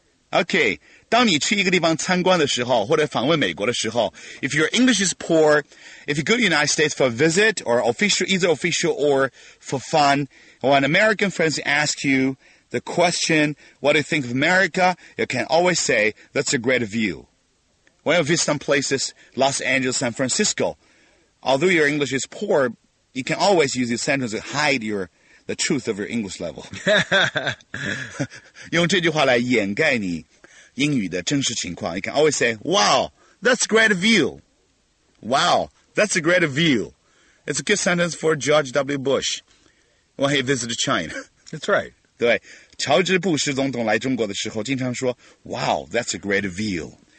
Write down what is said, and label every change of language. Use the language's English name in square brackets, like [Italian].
[English] Okay, [Chinese] 当你去一个地方参观的时候或者访问美国的时候 [English] if your English is poor, if you go to the United States for a visit or official, either official or for fun, when American friends ask you the question, what do you think of America, you can always say, that's a great view. When you visit some places, Los Angeles, San Francisco, although your English is poor, you can always use this sentence to hide your... the truth of your English level. [Chinese] 用这句话来掩盖你英语的真实情况。 [English] You can always say, wow, that's a great view. Wow, that's a great view. It's a good sentence for George W. Bush. when he visited China. That's right. [Chinese] 对，乔治布什总统来中国的时候经常说 [English] Wow, that's a great view.